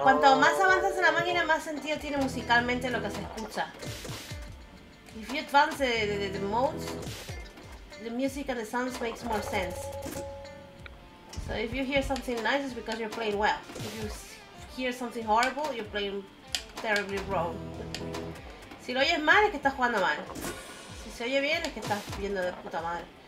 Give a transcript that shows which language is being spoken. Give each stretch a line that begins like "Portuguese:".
Spanish: Cuanto más avanzas en la máquina, más sentido tiene musicalmente lo que se escucha.
English: If you advance the modes, the music and the sounds makes more sense. So if you hear something nice, it's because you're playing well. If you hear something horrible, you're playing terribly wrong.
Spanish: Si lo oyes mal, es que estás jugando mal. Si se oye bien, es que estás viendo de puta madre.